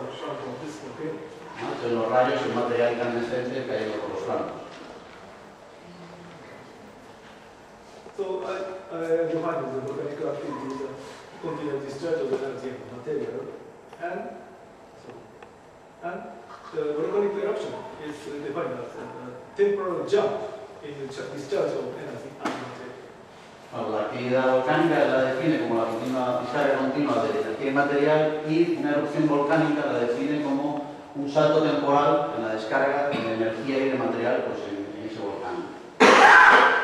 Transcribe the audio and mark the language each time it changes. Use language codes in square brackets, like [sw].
[es] Entonces los rayos, el material incandescente cayendo por los flancos. [en] So I define the volcanic activity is a continuous discharge of energy and material, and the volcanic eruption is defined as a temporal jump in the discharge of energy and material. [es] Bueno, la actividad volcánica la define como la continua discharga continua de energía y material, y una erupción volcánica la define como un salto temporal en la descarga de energía y de material pues, en ese volcán.